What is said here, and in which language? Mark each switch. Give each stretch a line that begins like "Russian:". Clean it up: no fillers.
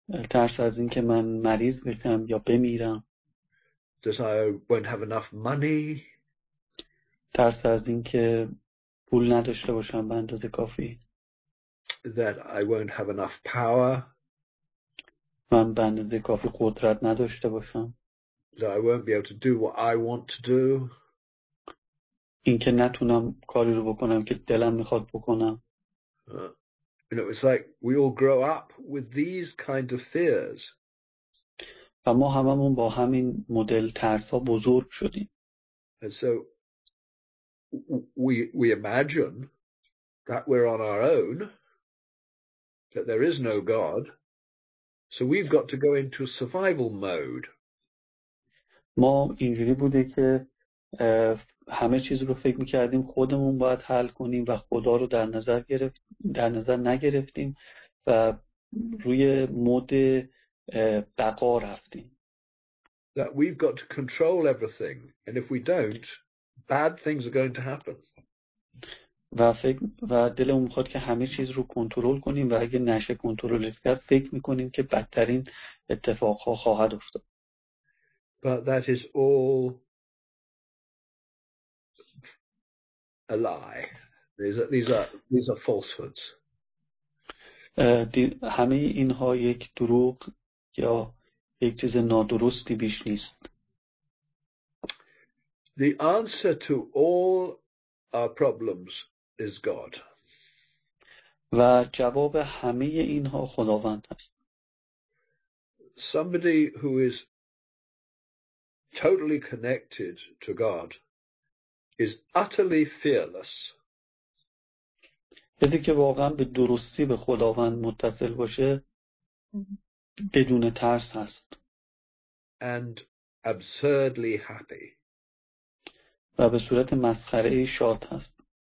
Persian: ترس از این که من مریض بشم یا بمیرم.
English: Desire won't have enough money.
Persian: ترس از این که پول نداشته باشم به اندازه کافی.
English: That I won't have enough power.
Persian: من به اندازه کافی قدرت نداشته باشم.
English: That I won't be able to do what I want to do.
Persian: این که نتونم کاری رو بکنم که دلم میخواد بکنم.
English: You know, it's like we all grow up with these kinds of fears.
Persian: و ما هممون با همین مدل ترس‌ها بزرگ شدیم.
English: And so we imagine that we're on our own, that there is no God. So we've got to go into survival mode.
Persian: ما اینجوری بوده که همه چیز رو فکر می‌کردیم خودمون باید حل کنیم و خدا رو در نظر نگرفتیم و روی مود بقا رفتیم.
English: That we've got to control everything and if we don't bad things are going to happen.
Persian: و دلمون می‌خواد که همه چیز رو کنترل کنیم و اگه نشه کنترل کرد فکر می‌کنیم که بدترین اتفاق‌ها خواهد افتاد.
English: But that is all a lie. These are falsehoods.
Persian: همه اینها یک دروغ یا یک چیز نادرستی بیش نیست.
English: The answer to all our problems is God.
Persian: و جواب همه اینها خداوند است.
English: Somebody who is totally connected to God is utterly fearless.
Persian: کسی که واقعا به درستی به خداوند متصل باشه بدون ترس هست.
English: And absurdly happy.
Persian: و به صورت مسخره شاد هست.